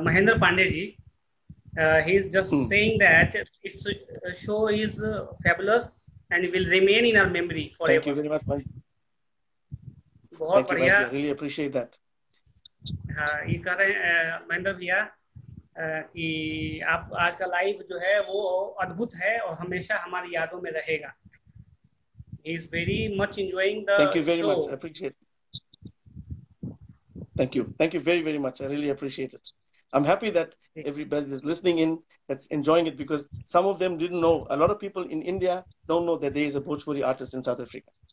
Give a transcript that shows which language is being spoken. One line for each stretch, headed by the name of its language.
English: Mahendra Pandeji, he is just saying that his show is fabulous and will remain in our memory forever. Thank you very much, Bhai. Thank you, Bhai. I really appreciate that.
Hindi: ये कह रहे हैं महेंद्र भैया कि आप आज का live जो है वो अद्भुत है और हमेशा हमारी यादों में रहेगा.
English: He is very much enjoying the show. Thank you very much. I appreciate it. Thank you. Thank you very, very much. I really appreciate it. I'm happy that everybody is listening in, that's enjoying it, because some of them didn't know. A lot of people in India don't know that there is a Bhojpuri artist in South Africa.